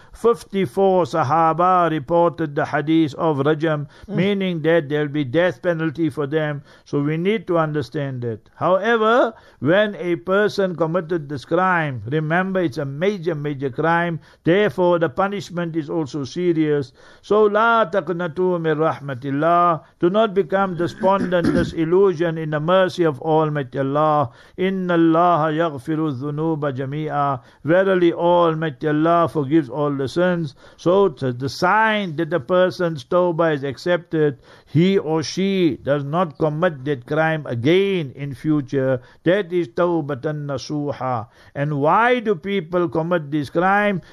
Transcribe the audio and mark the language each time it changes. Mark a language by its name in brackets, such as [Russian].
[English] 54 Sahaba reported the hadith of Rajam, meaning that there'll be death penalty for them. So we need to understand that. However, when a person committed this crime, remember it's a major a major crime. Therefore, the punishment is also serious. [Arabic] So, لا تقنطوا من رحمة الله. [English] Do not become despondent, disillusioned in the mercy of Almighty Allah. [Arabic] إن الله يغفر الذنوب جميعا. [English] Verily, Almighty Allah forgives all the sins. So, the sign that the person's tawbah is accepted, he or she does not commit that crime again in future. That is tawbatan nasuha. And why do people commit this crime?